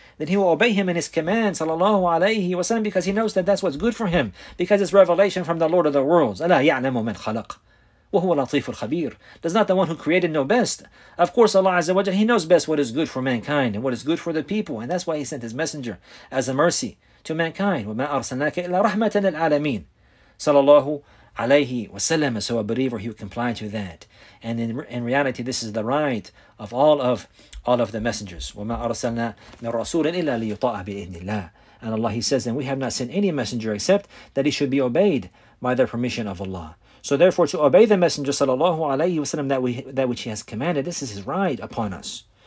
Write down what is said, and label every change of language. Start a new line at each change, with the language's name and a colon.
English: Then he will obey him in his command, sallallahu alayhi wa sallam, because he knows that that's what's good for him, because it's revelation from the Lord of the worlds.
Arabic: أَلَا يَعْلَمُ مَنْ خَلَقْ وَهُوَ لَطِيفُ الْخَبِيرُ.
English: Does not the one who created know best? Of course, Allah Azza wa Jalla, he knows best what is good for mankind and what is good for the people, and that's why he sent his messenger as a mercy to mankind.
Arabic: وَمَا أَرْسَلْنَاكَ إِلَّا رَحْمَةً لِلْعَالَمِينَ sallallahu alayhi wa sallam.
English: So a believer, he will comply to that. And in reality, this is the right of all of the messengers.
Arabic: وَمَا أَرْسَلْنَا مِنْ رَسُولٍ إِلَّا لِيُطَاعَ بِإِذْنِ اللَّهِ.
English: And Allah, he says, and we have not sent any messenger except that he should be obeyed by the permission of Allah. So therefore, to obey the messenger, sallallahu alayhi wa sallam, that which he has commanded, this is his right upon us.